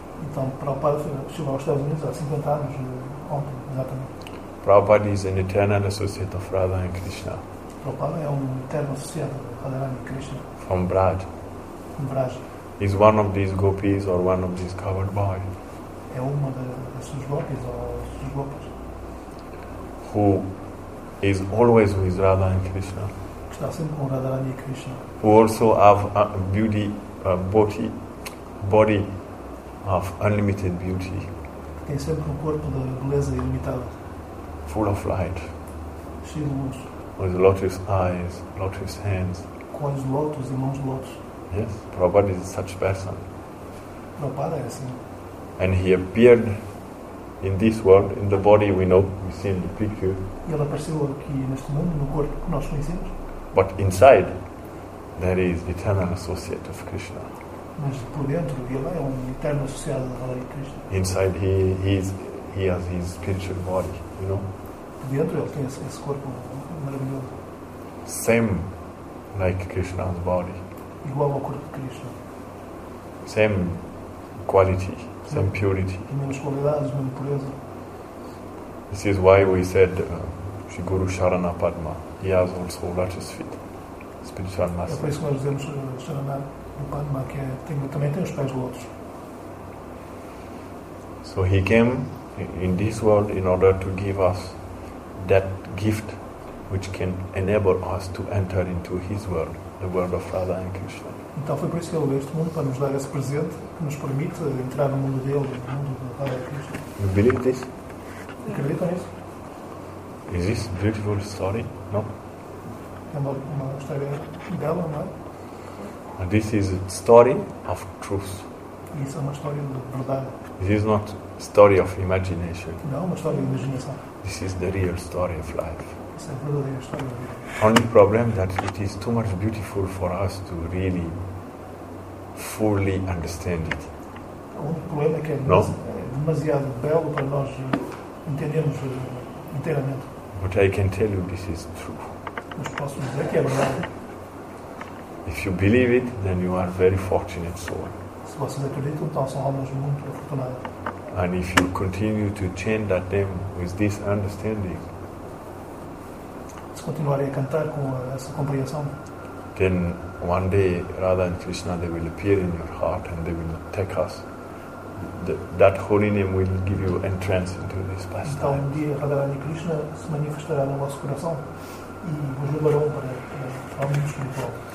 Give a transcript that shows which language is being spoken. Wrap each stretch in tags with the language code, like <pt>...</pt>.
<pt>Então, Prabhupada chegou aos Estados Unidos há 50 anos, ontem, exatamente.</pt> <en>Prabhupada is an eternal associate of Radha and Krishna.</en> <pt>Prabhupada é um eterno associado de Radharani e Krishna.</pt> <en>From Braj. From Braj. He's one of these gopis or one of these covered boys.</en> <pt>É uma dessas gopis ou dos gopis.</pt> <en>Who is always with Radha and Krishna.</en> <pt>Está sempre com Radharani e Krishna.</pt> <en>Who also have a body of unlimited beauty.</en> <pt>Tem sempre um corpo de beleza ilimitada.</pt> <en>Full of light.</en> <pt>Cheio de luz.</pt> <en>With lotus eyes, lotus hands.</en> <pt>Com olhos de lotus e mãos de lotus.</pt> <en>Yes, Prabhupada is such a person.</en> <pt>Prabhupada é assim.</pt> <en>And he appeared in this world, in the body we know, we see in the picture.</en> <pt>Ele apareceu aqui neste mundo, no corpo que nós conhecemos.</pt> <en>But inside, there is eternal associate of Krishna.</en> <pt>Mas por dentro ele é um eterno associado da Hare Krishna.</pt> <en>Inside he has his spiritual body, you know?</en> <pt>Por dentro ele tem esse corpo maravilhoso.</pt> <en>Same like Krishna's body.</en> <pt>Igual ao corpo de Krishna.</pt> <en>Same quality, same purity.</en> <pt>As mesmas qualidades, a mesma pureza.</pt> <en>This is why we said Shiguru Sharana Padma, he has also lotus feet, spiritual master.</en> <pt>É por isso que nós dizemos Sharana Padma, que também tem os pés lotos.</pt> <en>So he came in this world in order to give us that gift which can enable us to enter into his world, the world of Radha and Krishna.</en> <pt>Então foi por isso que ele veio este mundo, para nos dar esse presente que nos permite entrar no mundo dele, no mundo da Radha e Krishna.</pt> <en>You believe this?</en> <pt>Acredita nisso?</pt> <en>Is this beautiful story? No?</en> <pt>É uma história bela, não é?</pt> <en>And this is a story of truth.</en> <pt>Isso é uma história de verdade.</pt> <en>This is not a story of imagination.</en> <pt>Não, uma história de imaginação.</pt> <en>This is the real story of life.</en> <pt>Isso é a verdadeira história da vida.</pt> <en>Only problem that it is too much beautiful for us to really fully understand it.</en> <pt>O único problema é que é demasiado belo para nós entendemos inteiramente.</pt> <en>But I can tell you this is true.</en> <pt>Mas posso dizer que é verdade.</pt> <en>If you believe it, then you are very fortunate soul.</en> <pt>Se vocês acreditam, então são almas muito afortunadas.</pt> <en>And if you continue to chant that name with this understanding,</en> <pt>se continuarem a cantar com essa compreensão,</pt> <en>then one day Radha and Krishna they will appear in your heart and they will take us. That holy name will give you entrance into this pastime.</en> <pt>Então um dia Radharani Krishna se manifestará no nosso coração e vos levará para o mundo espiritual.</pt>